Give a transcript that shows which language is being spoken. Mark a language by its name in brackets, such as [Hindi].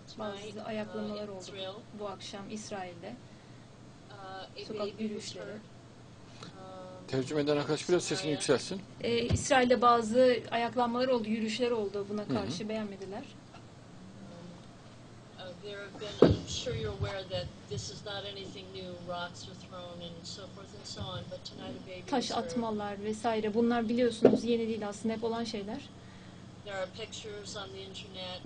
[Turkish] Bazı ayaklamalar oldu bu akşam İsrail'de. Sokak yürüyüşleri. Tercüme eden arkadaş biraz sesini yükselsin. İsrail'de bazı ayaklanmalar oldu, yürüyüşler oldu buna karşı. Hı-hı. Beğenmediler. [English] There have been, I'm sure you're aware that this is not anything new, rocks are thrown and so forth and so on, but tonight a baby was [Turkish] taş atmalar vesaire, bunlar biliyorsunuz yeni değil aslında, hep olan şeyler. [English] There are pictures on the internet.